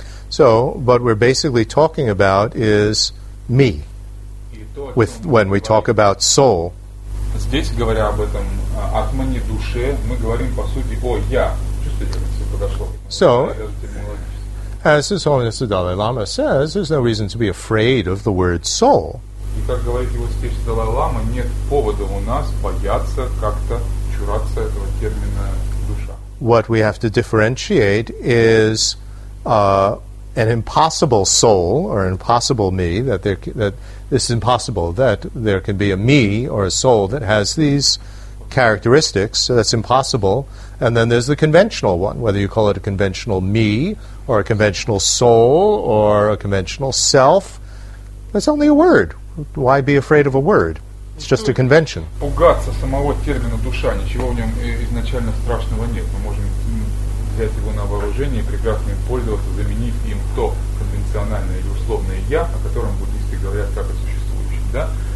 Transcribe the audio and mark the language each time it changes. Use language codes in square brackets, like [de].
[en] So, what we're basically talking about is me. With when we talk about soul. [ru] Здесь говоря об этом атмане, душе, мы говорим по сути о я. Чувствуете, все подошло. [en] So, as His Holiness the Dalai Lama says, there's no reason to be afraid of the word soul. [ru] И как говорит его здесь Далай Лама, нет повода у нас бояться как-то чураться этого термина. [en] What we have to differentiate is an impossible soul or an impossible me, that this is impossible, that there can be a me or a soul that has these characteristics, so that's impossible. And then there's the conventional one, whether you call it a conventional me or a conventional soul or a conventional self. That's only a word. Why be afraid of a word? It's just a convention. [ru] Пугаться самого термина душа, ничего в нем изначально страшного нет. Мы можем взять его на вооружение и прекрасно им пользоваться, заменив им то конвенциональное или условное «я», о котором буддисты говорят как о существующем. Да?